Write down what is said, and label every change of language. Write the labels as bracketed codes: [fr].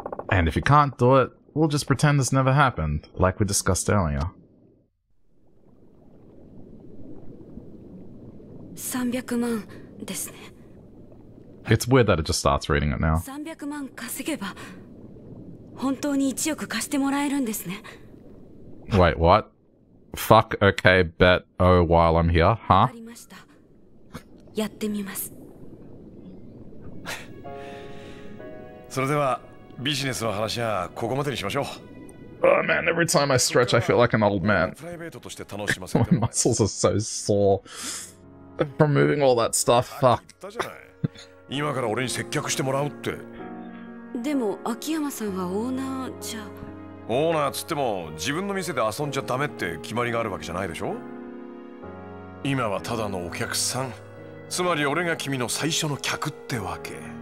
[en] And if you can't do it, we'll just pretend this never happened, like we discussed earlier. [ja] 300万 ですね. [en] It's weird that it just starts reading it now. [ja] 300万 稼げば 本当に 1億 貸してもらえるんですね. [en] Wait, what? Fuck, okay, bet, oh, while I'm here, huh? [ja] やってみます。それではビジネスの話はここまでにしましょう。 [en] Oh man, every time I stretch, I feel like an old man. My muscles are so sore from moving all that stuff. Fuck. [ja] 今から俺に接客してもらうって。でも秋山さんはオーナーじゃ。オーナーっつっても自分の店で遊んじゃダメって決まりがあるわけじゃないでしょ。今はただのお客さん、つまり俺が君の最初の客ってわけ。